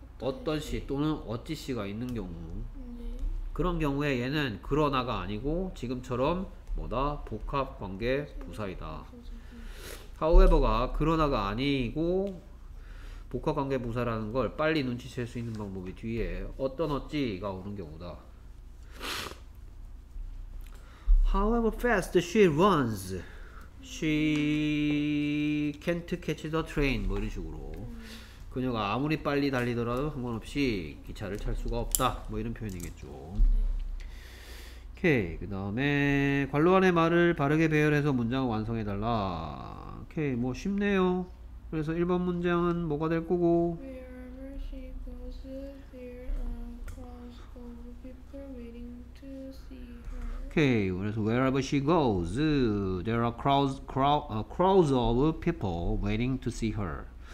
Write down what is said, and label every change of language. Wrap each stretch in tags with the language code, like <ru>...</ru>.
<ko>어떤 시 또는 어찌 시가 있는 경우 그런 경우에 얘는 그러나가 아니고 지금처럼 뭐다? 복합관계 부사이다. however가 그러나가 아니고 복합관계 부사라는 걸 빨리 눈치챌 수 있는 방법이 뒤에 어떤 어찌가 오는 경우다.</ko> <en>However fast she runs, she can't catch the train.</en> <ko>뭐 이런 식으로 그녀가 아무리 빨리 달리더라도 상관없이 기차를 탈 수가 없다. 뭐 이런 표현이겠죠. 오케이. 그 다음에 관로안의 말을 바르게 배열해서 문장을 완성해 달라. 오케이. 뭐 쉽네요. 그래서 1번 문장은 뭐가 될 거고.</ko> <en>Wherever she goes, there are crowds of people waiting to see her. Okay.</en> <ko>그래서</ko> <en>wherever she goes, there are crowds of people waiting to see her.</en>